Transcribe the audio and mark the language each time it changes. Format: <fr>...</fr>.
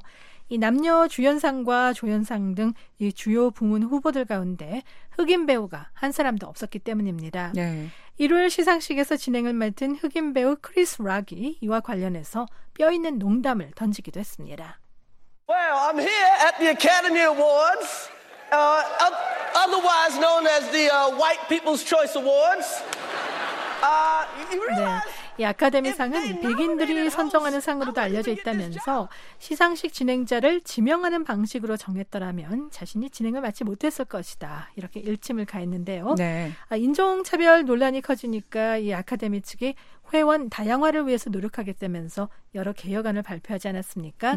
<ko>이 남녀 주연상과 조연상 등 이 주요 부문 후보들 가운데 흑인 배우가 한 사람도 없었기 때문입니다. 네. 일요일 시상식에서 진행을 맡은 흑인 배우 크리스 락이 이와 관련해서 뼈 있는 농담을 던지기도 했습니다.</ko> <en>Well, I'm here at the Academy Awards, otherwise known as the White People's Choice Awards. You realize?</en> <ko>네. 이 아카데미상은 백인들이 선정하는 상으로도 알려져 있다면서 시상식 진행자를 지명하는 방식으로 정했더라면 자신이 진행을 맡지 못했을 것이다. 이렇게 일침을 가했는데요. 네. 인종차별 논란이 커지니까 이 아카데미 측이 회원 다양화를 위해서 노력하겠다면서 여러 개혁안을 발표하지 않았습니까?</ko>